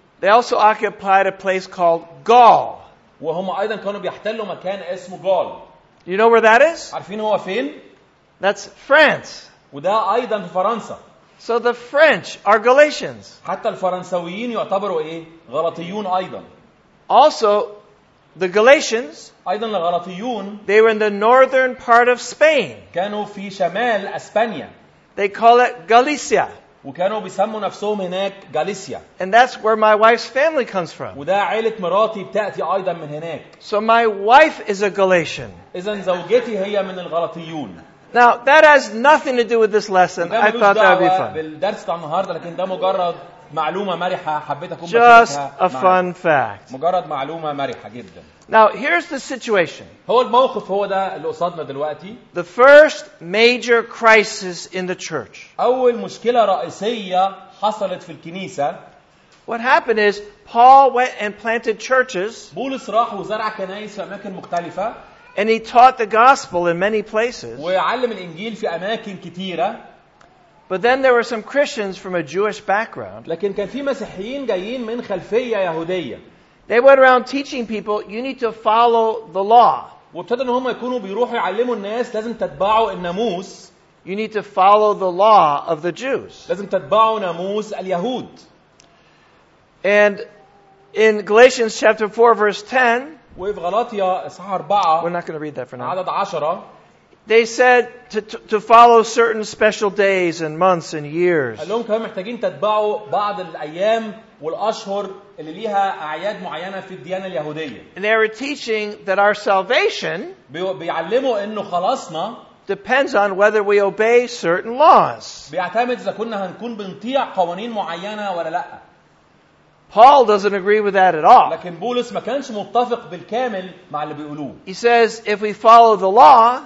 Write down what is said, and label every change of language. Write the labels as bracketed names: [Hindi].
[English] they also occupied a place called Gaul. [Arabic] وهم ايضا كانوا بيحتلوا مكان اسمه Gaul. [English] You know where that is? [Arabic] عارفين هو فين؟ [English] That's France. [Arabic] وده ايضا في فرنسا. [English] So the French are Galatians. [Arabic] حتى الفرنساويين يعتبروا ايه؟ غلاطيون ايضا. [English] Also, the Galatians, [Arabic] ايضا الغلاطيون, [English] they were in the northern part of Spain. [Arabic] كانوا في شمال اسبانيا. [English] They call it Galicia. [Arabic] وكانوا بيسموا نفسهم هناك غاليسيا. [English] And that's where my wife's family comes from. [Arabic] وده عائلة مراتي بتأتي ايضا من هناك. [English] So my wife is a Galatian. [Arabic] اذا زوجتي هي من الغلاطيون. [English] Now that has nothing to do with this lesson. I thought that would be fun. [Arabic] بالدرس بتاع النهارده, لكن ده مجرد معلومة مرحة حبيت أكون [English] Just a fun fact. [Arabic] مجرد معلومة مرحة جدا. [English] Now here's the situation. [Arabic] هو الموقف هو ده اللي قصادنا دلوقتي. [English] The first major crisis in the church. [Arabic] أول مشكلة رئيسية حصلت في الكنيسة. [English] What happened is Paul went and planted churches. [Arabic] بولس راح وزرع كنائس في أماكن مختلفة. [English] And he taught the gospel in many places. [Arabic] وعلم الإنجيل في أماكن كتيرة. [English] But then there were some Christians from a Jewish background. [Arabic] لكن كان في مسيحيين جايين من خلفية يهودية. [English] They went around teaching people, you need to follow the law. [Arabic] وابتدوا ان هم يكونوا بيروحوا يعلموا الناس لازم تتبعوا الناموس. [English] You need to follow the law of the Jews. [Arabic] لازم تتبعوا ناموس اليهود. [English] And in Galatians chapter 4 verse 10, [Arabic] وفي غلاطيا اصحاح 4, [English] we're not going to read that for now. [Arabic] عدد 10. [English] They said to follow certain special days and months and years. [Arabic] قال لهم كمان محتاجين تتبعوا بعض الأيام والأشهر اللي ليها أعياد معينة في الديانة اليهودية. [English] And they were teaching that our salvation [Arabic] بيعلموا إنه خلاصنا [English] depends on whether we obey certain laws. [Arabic] بيعتمد إذا كنا هنكون بنطيع قوانين معينة ولا لأ. [English] Paul doesn't agree with that at all. [Arabic] لكن بولس ما كانش متفق بالكامل مع اللي بيقولوه. [English] He says if we follow the law,